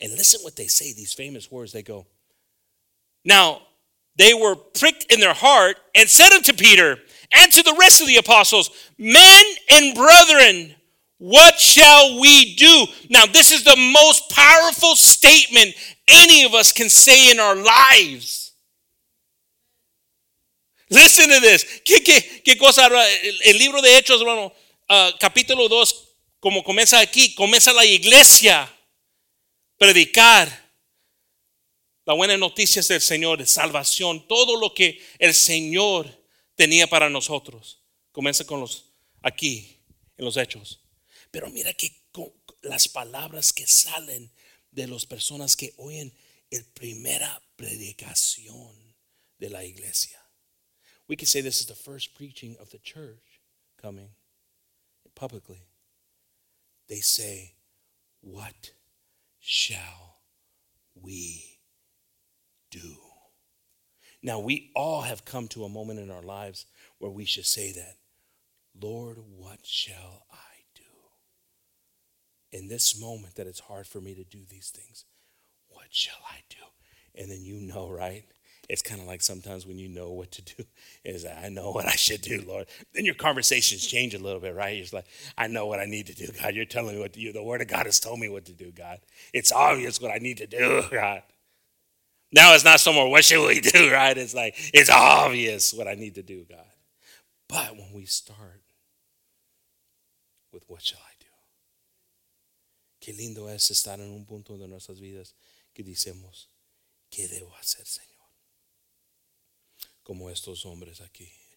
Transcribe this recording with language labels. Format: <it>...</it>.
<en>And listen what they say, these famous words. They go, now they were pricked in their heart and said unto Peter and to the rest of the apostles, men and brethren, what shall we do? Now, this is the most powerful statement any of us can say in our lives. Listen to this.</en> <es>¿Qué cosa? El libro de Hechos, hermano, capítulo 2, como comienza aquí, comienza la iglesia predicar la buena noticia del Señor, de salvación, todo lo que el Señor tenía para nosotros. Comienza con los aquí, en los Hechos. Pero mira que las palabras que salen de las personas que oyen la primera predicación de la iglesia.</es> <en>We can say this is the first preaching of the church coming publicly. They say, what shall we do? Now we all have come to a moment in our lives where we should say that, Lord, what shall I do? In this moment that it's hard for me to do these things, what shall I do? And then you know, right? It's kind of like sometimes when you know what to do, is I know what I should do, Lord. Then your conversations change a little bit, right? You're just like, I know what I need to do, God. You're telling me what to do. The word of God has told me what to do, God. It's obvious what I need to do, God. Now it's not so much, what should we do, right? It's like, it's obvious what I need to do, God. But when we start with what shall I do?</en> <es>Qué lindo es estar en un punto de nuestras vidas que decimos, ¿qué debo hacer, Señor? Como estos hombres aquí.</es>